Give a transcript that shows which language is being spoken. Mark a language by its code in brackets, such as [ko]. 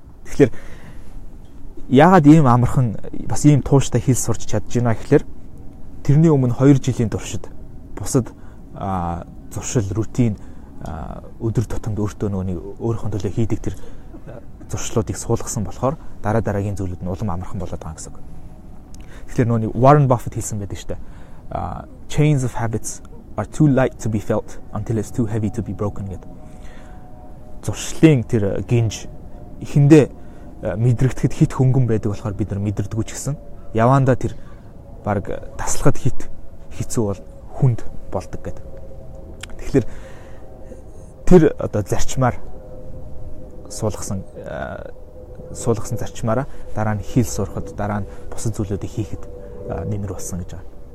[mn] Тэгэхээр яагаад ийм амархан бас ийм тууштай хэл сурч чадж байна гэхээр тэрний өмнө 2 жилийн туршид бусад зуршил, рутин өдөр тутамд өөртөө нөгөөний өөрийнхөө төлөө хийдэг тэр зуршлуудыг суулгасан болохоор дараа дараагийн зүйлүүд нь улам амархан болоод байгаа гэсэн үг. Тэгэхээр нөгөө Warren Buffett хэлсэн байдаг шүү дээ. [en] Chains of habits are too light to be felt until it's too heavy to be broken [mn] гэдэг. Зуршлын тэр гинж эхэндээ мэдрэгдэхэд хит хөнгөн байдаг болохоор бид нар мэдэрдэггүй ч гэсэн явандаа тэр баг таслахад хит хэцүү бол хүнд болдог гэдэг. Тэгэхээр тэр одоо зарчмаар суулгасан зарчмаараа дараа нь хил сурахад дараа нь бусад зүйлүүдийг хийхэд нэмэр болсон гэж байна.